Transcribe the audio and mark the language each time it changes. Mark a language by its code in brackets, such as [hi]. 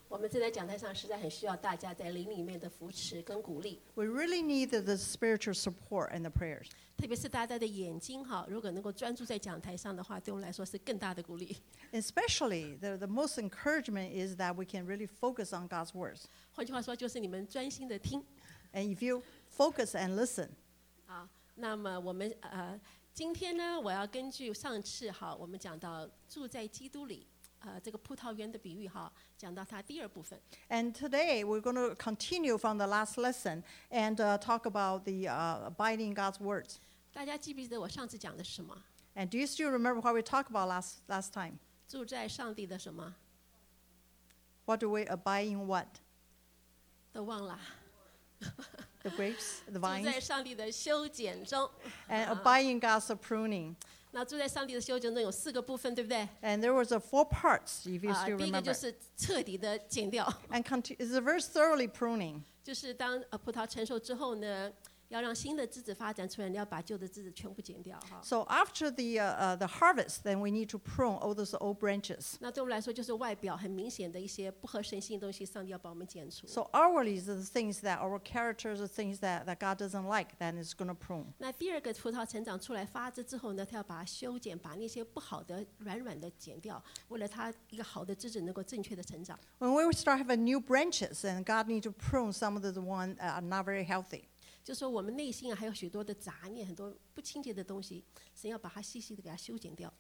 [zh] 们这在讲台上实在很需要大家在灵里面的扶持跟鼓励。 [en] We really need the spiritual support and the prayers. [zh] 特别是大家的眼睛哈，如果能够专注在讲台上的话，对我们来说是更大的鼓励。 [en] Especially the most encouragement is that we can really focus on God's words. [zh] 换句话说，就是你们专心的听。 [en] And if you focus and listen. [zh] 好，那么我们今天呢，我要根据上次哈，我们讲到住在基督里。这个葡萄园的比喻哈，讲到它第二部分。 [en] And today we're going to continue from the last lesson and talk about the abiding God's words. [zh] 大家记不记得我上次讲的是什么？ [en] And do you still remember what we talked about last time? [zh] 住在上帝的什么？ [en] What do we abide in what? [zh] 都忘了。 [en] The grapes, the vines. [zh] 住在上帝的修剪中。 [en] And abiding God's pruning. [zh] 那住在上帝的修剪中有四个部分，对不对？ [en] And there was a four parts, if you still remember. [zh] 第一个就是彻底的剪掉。 [en] And it's a very thoroughly pruning. [zh] 就是当葡萄成熟之后呢，要让新的枝子发展出来，你要把旧的枝子全部剪掉。 [en] So after the harvest, then we need to prune all those old branches. [zh] 那对我们来说就是外表很明显的一些不合神性的东西，上帝要把我们剪除。 [en] So outwardly is the things that our characters, the things that God doesn't like, then it's going to prune. [zh] 那第二个葡萄成长出来发枝之后呢，他要把它修剪，把那些不好的软软的剪掉，为了他一个好的枝子能够正确的成长。 [en] When we start having new branches, and God needs to prune some of the ones that are not very healthy. [zh] 就说我们内心还有许多的杂念，很多不清洁的东西，神要把它细细的给它修剪掉。